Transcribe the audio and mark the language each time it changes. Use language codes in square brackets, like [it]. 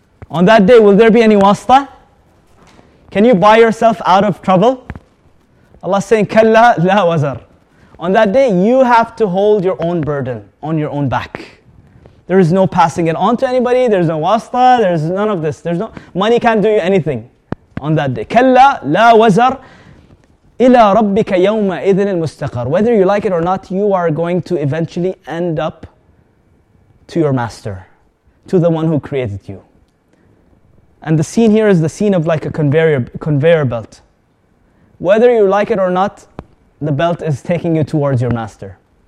[en] On that day, will there be any wasta? Can you buy yourself out of trouble? Allah is saying, [ar] كلا لا وزر. [en] On that day, you have to hold your own burden on your own back. There is no passing it on to anybody. There's no wasta. There's none of this. There's no money can't do you anything on that day. [ar] كلا لا وزر إلى ربك يومئذ المستقر. [en] Whether you like it or not, you are going to eventually end up to your master, to the one who created you. And the scene here is the scene of like a conveyor belt. Whether you like it or not, the belt is taking you towards your master.